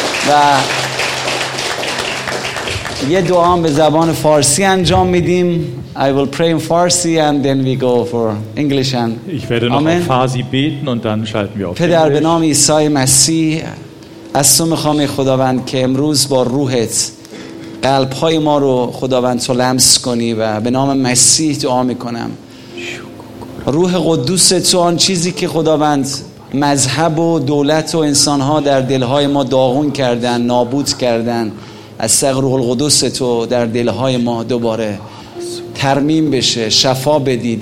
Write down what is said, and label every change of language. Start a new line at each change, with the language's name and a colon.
Persian: و یه دعا هم به زبان فارسی انجام میدیم.
English: I will pray in Farsi and then we go for English. And
German: ich werde noch in Farsi beten und dann schalten wir auf.
Persian: پدر به نام عیسی مسیح، از تو میخوام خداوند که امروز با روحت قلب‌های ما رو خداوند تو لمس کنی و به نام مسیح دعا میکنم. روح قدوس تو آن چیزی که خداوند مذهب و دولت و انسان‌ها در دل‌های ما داغون کردن، نابود کردن، از سر روح القدس تو در دل‌های ما دوباره ترمیم بشه، شفا بدی.